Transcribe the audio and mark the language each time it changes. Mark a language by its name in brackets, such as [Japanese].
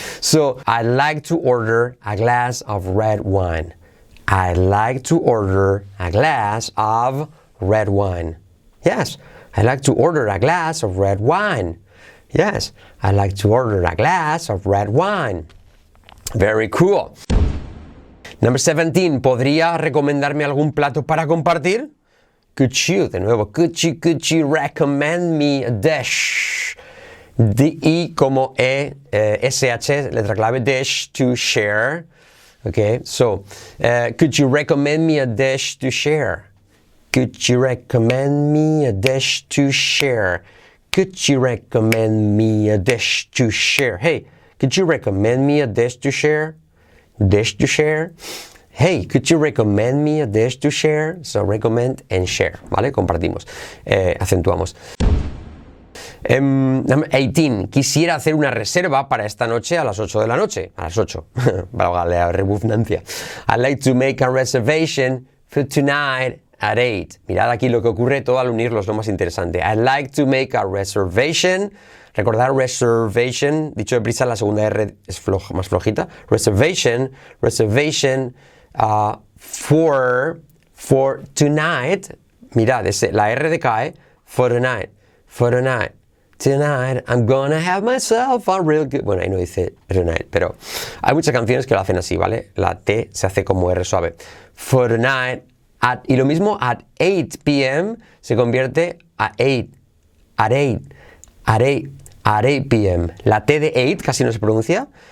[English] So, I'd like to order a glass of red wine. I'd like to order a glass of red wine. Yes, I'd like to order a glass of red wine. Yes, I'd like to order a glass of red wine. Very cool. Number 17, [Spanish] ¿podría recomendarme algún plato para compartir? [English] Could you, [Spanish] de nuevo, [English] could you recommend me a dish? [Spanish] D-I como E, S-H, letra clave, [English] dish to share. Okay, so, could you recommend me a dish to share? Could you recommend me a dish to share? Could you recommend me a dish to share? Hey, could you recommend me a dish to share? Dish to share? Hey, could you recommend me a dish to share? So, recommend and share, [Spanish] ¿vale? Compartimos, acentuamos. [English] Number 18. [Spanish] Quisiera hacer una reserva para esta noche a las 8 de la noche. A las 8. Valga la rebufnancia. [English] I'd like to make a reservation for tonight at 8. [Spanish] Mirad aquí lo que ocurre todo al unirlos, lo más interesante. [English] I'd like to make a reservation. [Spanish] Recordar reservation. Dicho deprisa, la segunda R es floja, más flojita. [English] Reservation. Reservation for tonight. [Spanish] Mirad, ese, la R decae. [English] For tonight. For tonight. Tonight, I'm gonna have myself a real good... [Spanish] Bueno, ahí no dice tonight, pero hay muchas canciones que lo hacen así, ¿vale? La T se hace como R suave. [English] For tonight, at, [Spanish] y lo mismo, [English] at 8 p.m. [Spanish] se convierte a 8. [English] At 8. At 8. At 8 p.m. [Spanish] La T de 8 casi no se pronuncia.